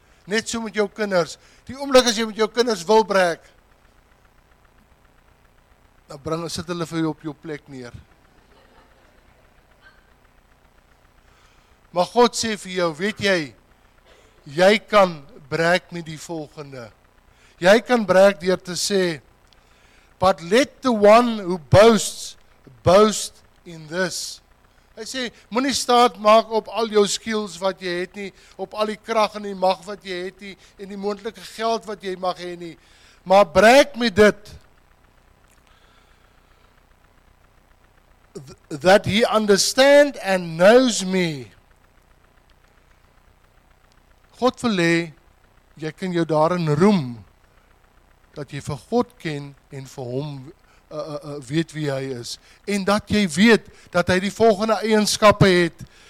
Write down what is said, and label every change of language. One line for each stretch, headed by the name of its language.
Afrikaans: Net so met jou kinders, die oomblik as jy met jou kinders wil breek, dan bring, sit hulle vir jou op jou plek neer. Maar God sê vir jou, weet jy, jy kan breek met die volgende. Jy kan breek deur te sê,
English: but let the one who boasts, boast in this.
Afrikaans: Hy sê, moet nie staat maak op al jou skills wat jy het nie, op al die krag en die mag wat jy het nie, en die moontlike geld wat jy mag hê nie. Maar breek met dit,
English: that he understand and knows me.
Afrikaans: God wil hê, jy kan jou daarin roem, dat jy vir God ken en vir hom weet wie hy is. En dat jy weet, dat hy die volgende eienskappe het.